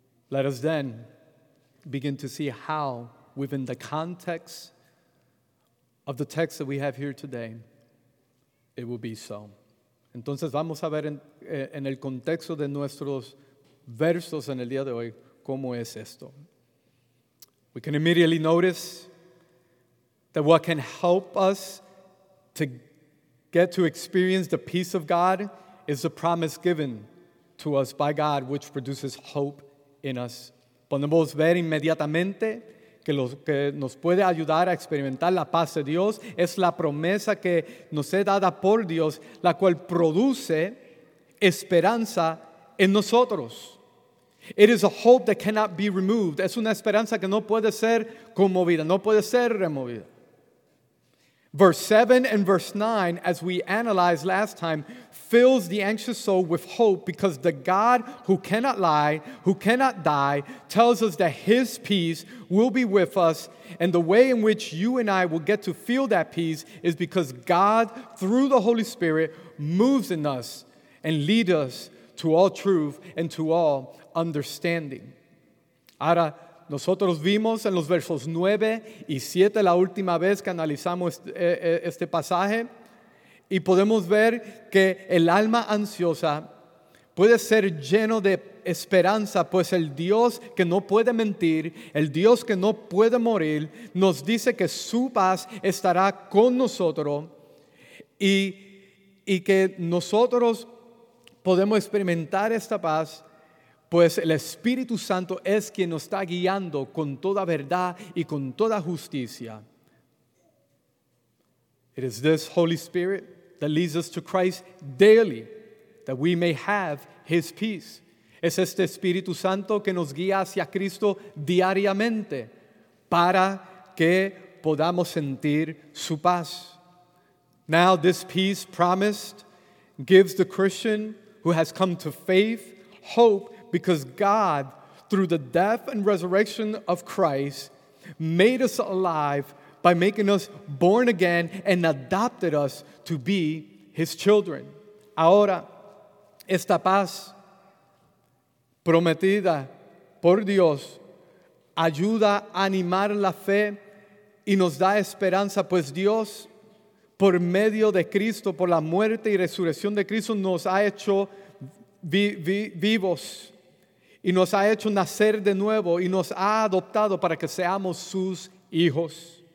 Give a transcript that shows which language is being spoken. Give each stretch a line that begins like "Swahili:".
English: Let us then begin to see how, within the context of the text that we have here today, it will be so.
Spanish: Entonces vamos a ver en el contexto de nuestros versos en el día de hoy, cómo es esto.
English: We can immediately notice that what can help us to get to experience the peace of God is the promise given to us by God, which produces hope in us.
Spanish: Podemos ver inmediatamente que lo que nos puede ayudar a experimentar la paz de Dios es la promesa que nos es dada por Dios, la cual produce esperanza en nosotros.
English: It is a hope that cannot be removed.
Spanish: Es una esperanza que no puede ser conmovida, no puede ser removida.
English: Verse 7 and verse 9, as we analyzed last time, fills the anxious soul with hope because the God who cannot lie, who cannot die, tells us that his peace will be with us. And the way in which you and I will get to feel that peace is because God, through the Holy Spirit, moves in us and leads us to all truth and to all understanding.
Spanish: Ahora, nosotros vimos en los versos 9 y 7 la última vez que analizamos este pasaje, y podemos ver que el alma ansiosa puede ser lleno de esperanza, pues el Dios que no puede mentir, el Dios que no puede morir, nos dice que su paz estará con nosotros y que nosotros podemos experimentar esta paz, pues el Espíritu Santo es quien nos está guiando con toda verdad y con toda justicia.
English: It is this Holy Spirit that leads us to Christ daily, that we may have his peace.
Spanish: Es este Espíritu Santo que nos guía hacia Cristo diariamente para que podamos sentir su paz.
English: Now this peace promised gives the Christian who has come to faith, hope, because God, through the death and resurrection of Christ, made us alive by making us born again and adopted us to be his children.
Spanish: Ahora, esta paz prometida por Dios ayuda a animar la fe y nos da esperanza, pues Dios, por medio de Cristo, por la muerte y resurrección de Cristo, nos ha hecho vivos y nos ha hecho nacer de nuevo y nos ha adoptado para que seamos sus hijos.